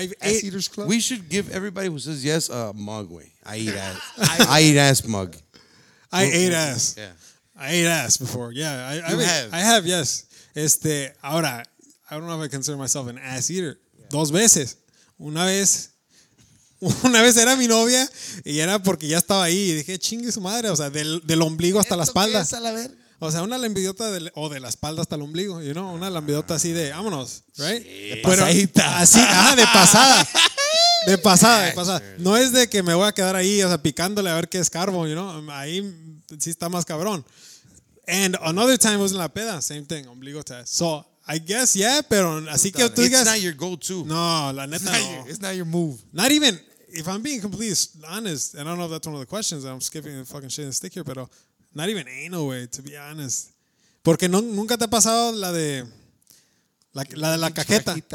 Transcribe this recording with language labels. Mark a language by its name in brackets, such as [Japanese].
[English] ass eaters club. We should give everybody who says yes a mug. Way I eat ass. I eat ass mug. I ate ass. Yeah. I ate ass before. Yeah. I have. Yes. Ahora, I don't know if I consider myself an ass eater. [Spanish] Yeah. Dos veces. Una vez. Una vez era mi novia y era porque ya estaba ahí y dije, chingue su madre, o sea, del ombligo hasta la espalda. O sea, una lambidota de la espalda hasta el ombligo, you know, una lambidota así de vámonos, right? De pasadita. Pero, así, de pasada. De pasada. No es de que me voy a quedar ahí, o sea, picándole a ver qué es carbón, you know, ahí sí está más cabrón. [English] And another time was [Spanish] en la peda, [English] same thing, ombligo test. So, I guess, yeah, [Spanish] pero así que tú digas... [English] It's not your go-to. [Spanish] No, la neta no. [English] It's not your move. Not even, if I'm being completely honest, and I don't know if that's one of the questions, I'm skipping the fucking shit and stick here, pero not even anal way, to be honest. [Spanish] Porque no, nunca te ha pasado la de la cajeta.